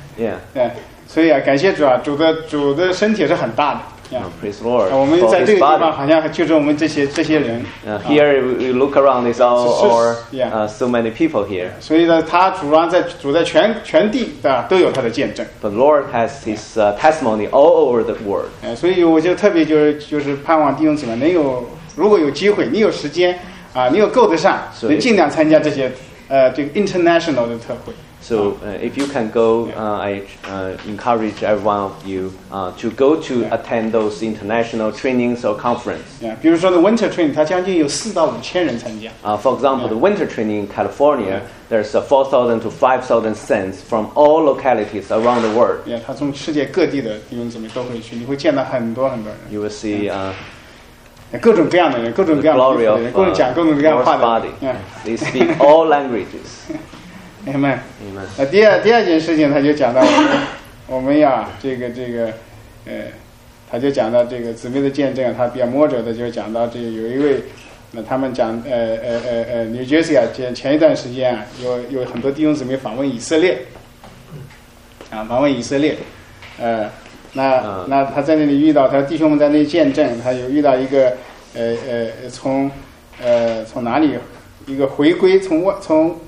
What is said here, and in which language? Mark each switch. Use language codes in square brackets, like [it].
[zh] yeah. 所以啊，感谢主啊，主的身体是很大的。 [en] Praise Lord. [zh] 我们在这个地方好像就是我们这些人。 [en] Here we look around. It's all or so many people here. [zh] 所以呢，他主啊，在主在全地的都有他的见证。 [en] The Lord has his testimony all over the world. [zh] 所以我就特别就是盼望弟兄姊妹能有，如果有机会，你有时间啊，你有够得上，能尽量参加这些这个 international 的特会。 [en] So if you can go, I encourage every one of you to go to attend those international trainings or conference. [zh] Yeah, 比如说 the winter training, 它将近有4,000到5,000人参加。 [en] For example, the winter training in California, there's 4,000 to 5,000 saints from all localities around the world. [zh] Yeah, 它从世界各地的弟兄姊妹都会去，你会见到很多人。 [en] You will see [zh] 各种各样的人，各种各样的人，各种讲各种各样的话的。 [en] Yeah, they speak all languages. Amen. Amen. [zh] 第二件事情，他就讲到我们呀，这个，他就讲到这个姊妹的见证，他比较摸着的，就讲到这有一位，那他们讲New Jersey 啊，前一段时间啊，有很多弟兄姊妹访问以色列，访问以色列，那他在那里遇到，他弟兄们在那里见证，他有遇到一个从哪里一个回归，从。